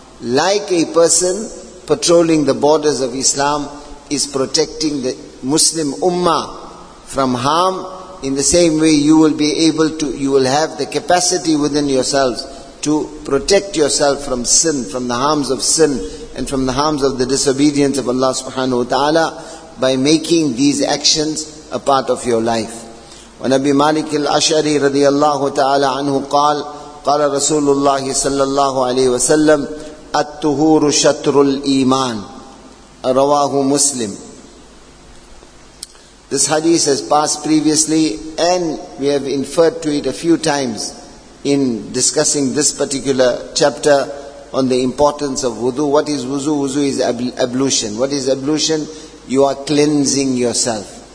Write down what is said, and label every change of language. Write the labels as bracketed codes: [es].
[en] Like a person patrolling the borders of Islam is protecting the Muslim Ummah from harm, in the same way you will have the capacity within yourselves to protect yourself from sin, from the harms of sin, and from the harms of the disobedience of Allah subhanahu wa ta'ala by making these actions a part of your life. [ar] ونبي مالك الأشعري رضي الله تعالى عنه قال قال رسول الله صلى الله عليه وسلم الطهور شطر الإيمان رواه مسلم. [en] This hadith has passed previously and we have inferred to it a few times in discussing this particular chapter on the importance of wudu. What is wudu? Wudu is ablution. What is ablution? You are cleansing yourself.